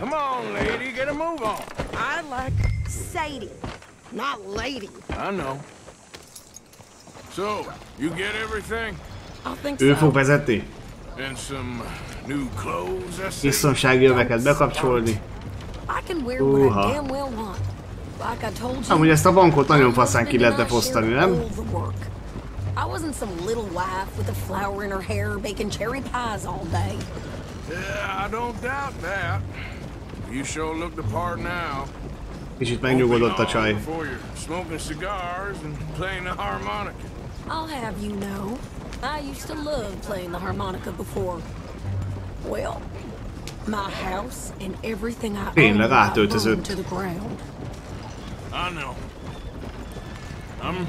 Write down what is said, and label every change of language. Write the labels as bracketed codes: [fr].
[en] Come on, lady, get a move on. I like Sadie, not lady. I know. So, you get everything? I think [hu] so. Ő fog vezetni. [en] And some new clothes, I see. [hu] Biztonsági öveket bekapcsolni. [en] I can wear what I damn well want. Like I told you. [hu] Amúgy ezt a bankot nagyon faszán ki lehetne fosztani, nem? [en] I wasn't some little wife with a flower in her hair baking cherry pies all day. Yeah, I don't doubt that. You sure look the part now. [hu] Kicsit megnyugodott a csaj. [en] Smoking cigars and playing the harmonica. I'll have you know, I used to love playing the harmonica before. Well, my house and everything I own got burned to the ground. I know. I'm